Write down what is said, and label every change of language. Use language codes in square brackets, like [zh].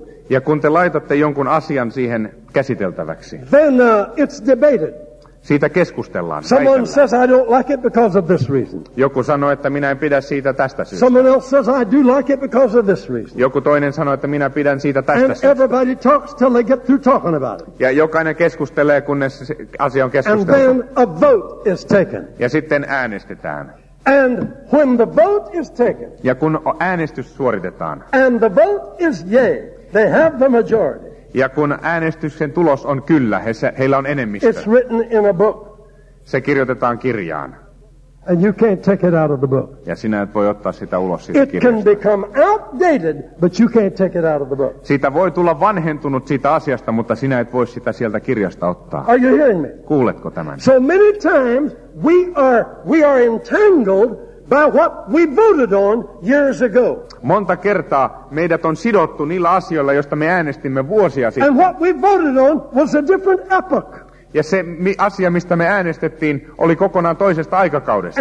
[fi] Ja kun te laitatte jonkun asian siihen käsiteltäväksi. [en] Then it's debated. [fi] Siitä keskustellaan. [en] Someone says I don't like it because of this reason. [fi] Joku sanoo, että minä en pidä siitä tästä syystä. [en] Someone else says I do like it because of this reason. [fi] Joku toinen sanoo, että minä pidän siitä tästä syystä. [en] And everybody talks till they get through talking about it. [fi] Ja jokainen keskustelee, kunnes asia on keskusteltu. [en] And then a vote is taken. [fi] Ja sitten äänestetään. [en] And when the vote is taken. [fi] Ja kun äänestys suoritetaan. [en] And the vote is yay. They have the majority. [fi] Ja kun äänestyksen tulos on kyllä, heillä on enemmistö. [en] It's written in a book. [fi] Se kirjoitetaan kirjaan. [en] And you can't take it out of the book. [fi] Ja sinä et voi ottaa sitä ulos siitä [en] it [fi] kirjasta. [en] It can become outdated, but you can't take it out of the book. [fi] Siitä voi tulla vanhentunut siitä asiasta, mutta sinä et voi sitä sieltä kirjasta ottaa. [en] Are you hearing me? [fi] Kuuletko tämän? [en] So many times we are entangled by what we voted on years ago. [fi] Monta kertaa meidät on sidottu niillä asioilla, joista me äänestimme vuosia sitten. [en] And what we voted on was a different epoch. [fi] Ja se asia, mistä me äänestettiin, oli kokonaan toisesta aikakaudesta.